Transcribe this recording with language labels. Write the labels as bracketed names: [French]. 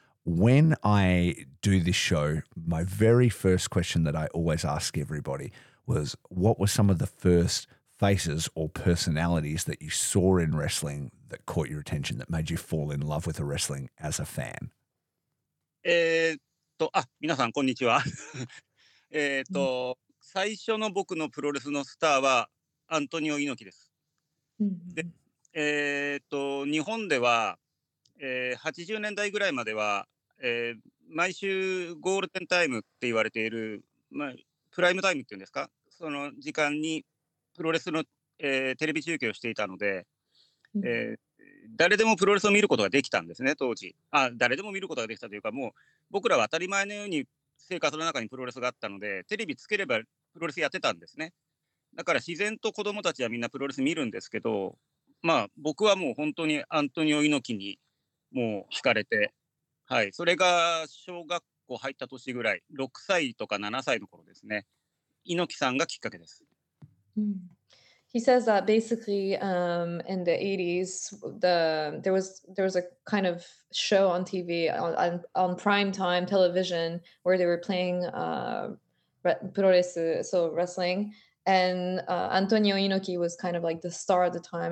[English] When I do this show, my very first question that I always ask everybody was, what were some of the first faces or personalities that you saw in wrestling that caught your attention, that made you fall in love with the wrestling as a fan? [Japanese] 皆さんこんにちは。最初の僕のプロレスのスターはアントニオ猪木です。で、日本では、80年代ぐらいまでは、毎週ゴールデンタイムって言われている、まあ、プライムタイムっていうんですか、その時間にプロレスの、テレビ中継をしていたので、誰でもプロレスを見ることができたんですね、当時。あ、誰でも見ることができたというか、もう僕らは当たり前のように生活の中にプロレスがあったので、テレビつければプロレスやってたんですね。だから自然と子供たちはみんなプロレス見るんですけど、まあ僕はもう本当にアントニオ猪木にもう惹かれて、はい、それが小学校入った年ぐらい、6歳とか7歳の頃ですね。猪木さんがきっかけです。うん、 [English] He says that basically in the 80s, there was a kind of show on TV, on primetime television, where they were playing wrestling. And Antonio Inoki was kind of like the star at the time.